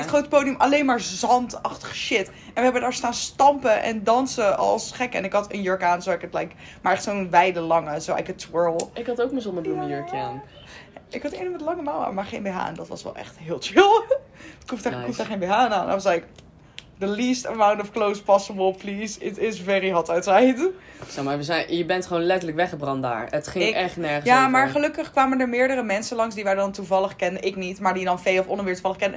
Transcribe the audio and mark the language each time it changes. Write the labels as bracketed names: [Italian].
[Dutch] Het grote podium alleen maar zandachtig shit. En we hebben daar staan stampen en dansen als gek. En ik had een jurk aan, zo ik het like... Maar echt zo'n wijde lange, zo [English] I could twirl. [Dutch] Ik had ook mijn zonnebloemenjurkje aan. Ik had ene met lange mouwen, maar geen BH aan. Dat was wel echt heel chill. Ik hoef daar geen BH aan. En dan was ik, [English] the least amount of clothes possible, please. It is very hot outside. [Dutch] Zeg maar, je bent gewoon letterlijk weggebrand daar. Het ging echt nergens Ja, over. Maar gelukkig kwamen er meerdere mensen langs die wij dan toevallig kenden. Ik niet, maar die dan Vee of Onderweer toevallig kenden.